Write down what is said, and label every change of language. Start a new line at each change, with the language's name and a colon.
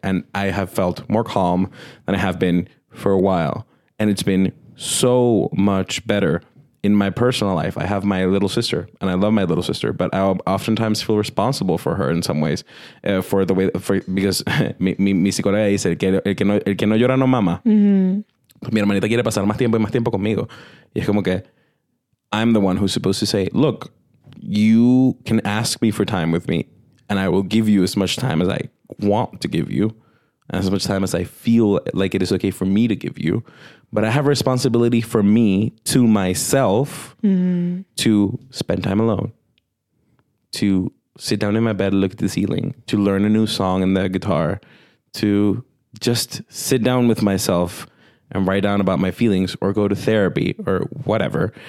English: And I have felt more calm than I have been for a while. And it's been so much better. in my personal life, I have my little sister and I love my little sister, but I oftentimes feel responsible for her in some ways for the way, for, because
Spanish: mi psicóloga dice, el que no llora no mama. Mm-hmm. Mi hermanita quiere pasar más tiempo y más tiempo conmigo. Y es como que
English: I'm the one who's supposed to say, look, you can ask me for time with me and I will give you as much time as I want to give you, as much time as I feel like it is okay for me to give you. But I have a responsibility for me to myself to spend time alone, to sit down in my bed, look at the ceiling, to learn a new song on the guitar, to just sit down with myself and write down about my feelings or go to therapy or whatever.